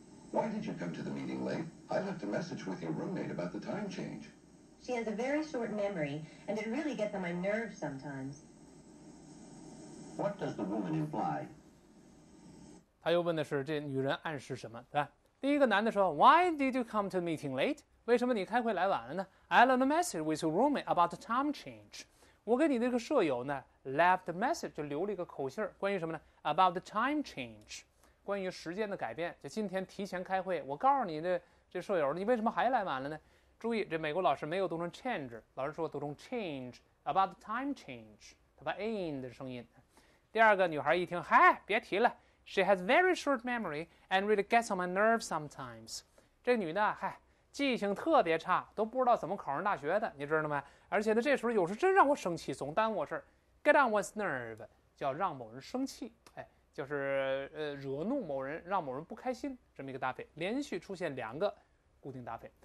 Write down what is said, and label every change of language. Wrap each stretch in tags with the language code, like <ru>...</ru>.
<en>Why did you come to the meeting late? I left a message with your roommate about the time change. She has a very short memory, and it really gets on my nerves sometimes. What does the woman imply?</en> <zh>他又问的是这女人暗示什么，对吧？第一个男的说</zh> <en>，Why did you come to the meeting late?</en> <zh>为什么你开会来晚了呢</zh> <en>？I left a message with your roommate about the time change.</en> <zh>我给你那个舍友呢 ，</zh> <en>left a message</en> <zh>就留了一个口信，关于什么呢 ？</zh> <en>About the time change。</en> <zh>关于时间的改变，就今天提前开会，我告诉你这舍友，你为什么还来晚了呢？注意，这美国老师没有读成 change， 老师说读成 change about time change， 他把 in 的声音。第二个女孩一听，嗨，别提了</zh> <en>，She has very short memory and really gets on my nerves sometimes。</en> <zh>这女的，嗨，记性特别差，都不知道怎么考上大学的，你知道吗？而且呢，这时候有时真让我生气，总耽误事</zh> <en>Get on one's nerve</en> <zh>叫让某人生气。就是惹怒某人，让某人不开心，这么一个搭配，连续出现两个固定搭配。</zh>